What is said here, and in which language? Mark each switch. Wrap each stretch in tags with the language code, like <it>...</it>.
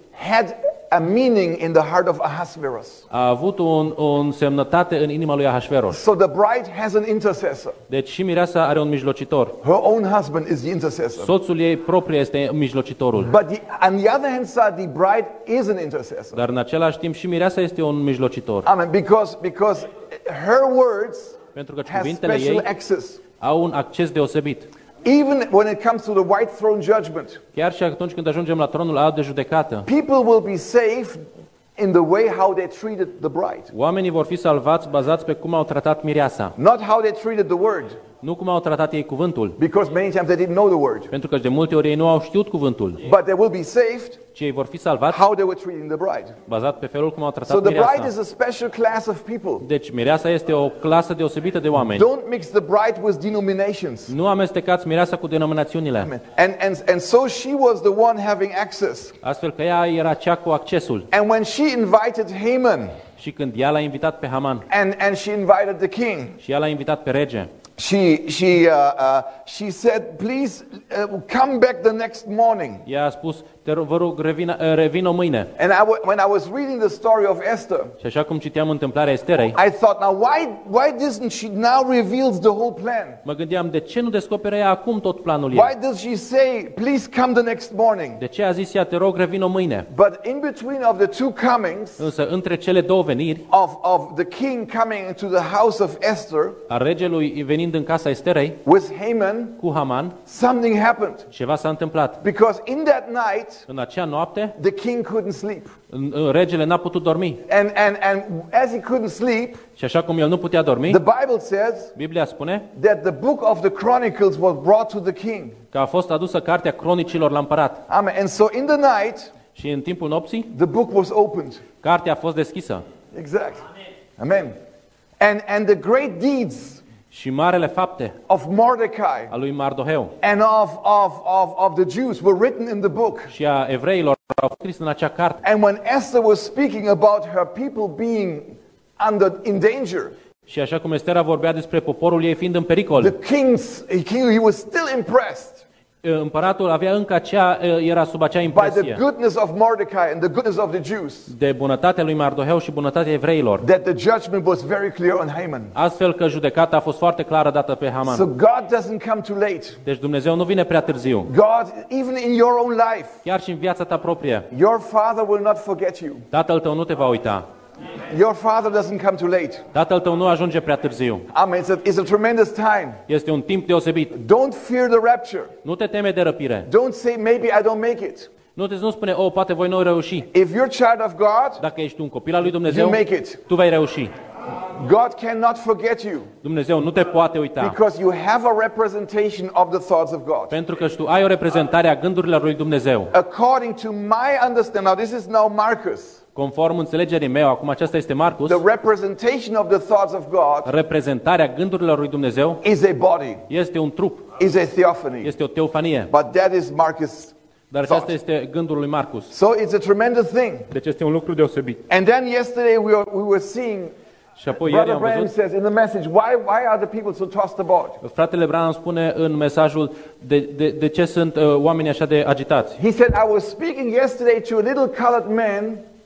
<en>Had a meaning in the heart of Ahasuerus.</en> <ro>A avut un semnătate în inima lui Ahasuerus.</ro> <en>So the bride has an intercessor.</en> <ro>Deci și mireasa are un mijlocitor.</ro> <en>Her own husband is the intercessor.</en> <ro>Soțul ei propriu este mijlocitorul.</ro> <en>But on the other hand, the bride is an intercessor.</en> <ro>Dar în același timp și mireasa este un mijlocitor.</ro> <en>Amen. Because her words,</en> <ro>pentru că cuvintele ei au un acces deosebit.</ro> <en>Even when it comes to the white throne judgment.</en> <ro>Chiar și atunci când ajungem la tronul alb de judecată.</ro> <en>People will be saved in the way how they treated the bride.</en> <ro>Oamenii vor fi salvați bazați pe cum au tratat mireasa.</ro> <en>Not how they treated the word.</en> <ro>Nu cum au tratat ei cuvântul.</ro> <en>Because many times they didn't know the word.</en> <ro>Pentru că de multe ori ei nu au știut cuvântul.</ro> <en>But they will be saved.</en> <ro>Ci ei vor fi salvați.</ro> <en>How they were treating the bride.</en> <ro>Bazat pe felul cum au tratat</ro> <en>so</en> <ro>mireasa.</ro> <en>So the bride is a special class of people.</en> <ro>Deci mireasa este o clasă deosebită de oameni.</ro> <en>Don't mix the bride with denominations.</en> <ro>Nu amestecați mireasa cu denominațiunile.</ro> <en>And so she was the one having access.</en> <ro>Astfel că ea era cea cu accesul.</ro> <en>And when she invited Haman.</en> <ro>Și când ea l-a invitat pe Haman.</ro> <en>And she invited the king.</en> <ro>Și ea l-a invitat pe rege.</ro> <en>She said, please come back the next morning.</en> <ro>Ea a spus, te rog, vă rog, revină mâine.</ro> <en>And when I was reading the story of Esther,</en> <ro>și așa cum citeam întâmplarea Esterei,</ro> <en>I thought, now why doesn't she now reveals the whole plan?</en> <ro>Mă gândeam, de ce nu descoperă ea acum tot planul ei?</ro> <en>Why does she say, please come the next morning?</en> <ro>De ce a zis ea, te rog, revină mâine?</ro> <en>But in between of the two comings,</en> <ro>însă între cele două veniri,</ro> <en>of the king coming into the house of Esther,</en> <ro>a regelui venind în casa Esterei,</ro> <en>with Haman,</en> <ro>cu Haman,</ro> <en>something happened.</en> <ro>Ceva s-a întâmplat.</ro> <en>Because in that night,</en> <ro>în acea noapte,</ro> <en>the king couldn't sleep.</en> <ro>Regele n-a putut dormi.</ro> <en>And as he couldn't sleep,</en> <ro>și așa cum el nu putea dormi,</ro> <en>the Bible says,</en> <ro>Biblia spune,</ro> <en>that the book of the Chronicles was brought to the king.</en> <ro>Că a fost adusă cartea cronicilor la împărat.</ro> <en>Amen. And so in the night,</en> <ro>și în timpul nopții,</ro> <en>the book was opened.</en> <ro>Cartea a fost deschisă.</ro> <en>Exact. Amen. And the great deeds,</en> <ro>și marele fapte,</ro> <en>of Mordecai,</en> <ro>a lui Mardoheu,</ro> <en>and of the Jews were written in the book.</en> <ro>Și a evreilor au scris în acea carte.</ro> <en>And when Esther was speaking about her people being under in danger,</en> <ro>și așa cum Estera vorbea despre poporul ei fiind în pericol,</ro> <en>he was still impressed.</en> <ro>Împăratul avea încă acea, era sub acea impresie.</ro> <en>By the goodness of Mordecai and the goodness of the Jews.</en> <ro>De bunătatea lui Mardoheu și bunătatea evreilor.</ro> <en>That the judgment was very clear on Haman.</en> <ro>Astfel că judecata a fost foarte clară dată pe Haman.</ro> <en>So God doesn't come too late.</en> <ro>Deci Dumnezeu nu vine prea târziu.</ro> <en>God, even in your own life.</en> <ro>Chiar și în viața ta proprie.</ro> <en>Your father will not forget you.</en> <ro>Tatăl tău nu te va uita.</ro> <en>Your father doesn't come too late.</en> <ro>Tatăl tău nu ajunge prea târziu.</ro> <en>Amen. It's a tremendous time.</en> <ro>Este un timp deosebit.</ro> <en>Don't fear the rapture.</en> <ro>Nu te teme de răpire.</ro> <en>Don't say maybe I don't make it.</en> <ro>Nu spune, oh, poate voi nu reuși.</ro> <en>If you're child of God,</en> <ro>dacă ești un copil al lui Dumnezeu,</ro> <en>you make it.</en> <ro>Tu vei reuși.</ro> <en>God cannot forget you.</en> <ro>Dumnezeu nu te poate uita.</ro> <en>Because you have a representation of the thoughts of God.</en> <ro>Pentru că tu ai o reprezentare a gândurilor lui Dumnezeu.</ro> <en>According to my understanding, now this is now Marcus.</en> <ro>Conform înțelegerii mele, acum aceasta este Marcus.</ro> <en>The representation of the thoughts of God.</en> <ro>Reprezentarea gândurilor lui Dumnezeu.</ro> <en>Is a body.</en> <ro>Este un trup.</ro> <en>Is a theophany.</en> <ro>Este o teofanie.</ro> <en>But that is Marcus.</en> <ro>Dar aceasta este gândul lui Marcus.</ro> <en>So it's a tremendous thing.</en> <ro>Deci este un lucru deosebit.</ro> <en>And then yesterday we were seeing.</en> <ro>Și apoi ieri am văzut.</ro> <en>Says in the message, why are the people so tossed about?</en> <ro>Fratele Branham spune în mesajul de ce sunt oamenii așa de agitați.</ro> <en>He said I was speaking yesterday to a little colored man.</en>